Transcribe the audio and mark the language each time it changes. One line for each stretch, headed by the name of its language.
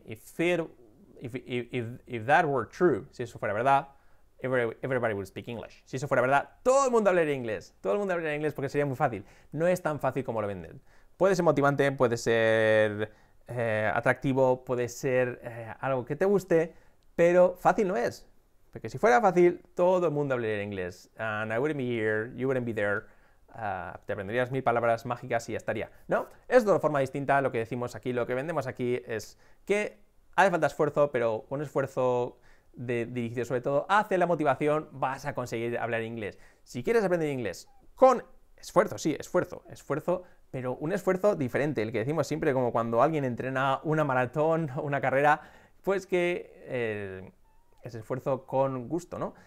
English: If that were true,
Spanish: si eso fuera verdad,
English: everybody would speak English.
Spanish: Si eso fuera verdad, todo el mundo hablaría inglés. Todo el mundo hablaría inglés porque sería muy fácil. No es tan fácil como lo venden. Puede ser motivante, puede ser atractivo, puede ser algo que te guste, pero fácil no es. Porque si fuera fácil, todo el mundo hablaría inglés.
English: And I wouldn't be here, you wouldn't be there.
Spanish: Te aprenderías 1,000 palabras mágicas y ya estaría, ¿no? Es de una forma distinta a lo que decimos aquí, lo que vendemos aquí es que hace falta esfuerzo, pero un esfuerzo dirigido sobre todo hacia la motivación, vas a conseguir hablar inglés. Si quieres aprender inglés con esfuerzo, sí, esfuerzo, pero un esfuerzo diferente, el que decimos siempre como cuando alguien entrena una maratón, una carrera, pues que es esfuerzo con gusto, ¿no?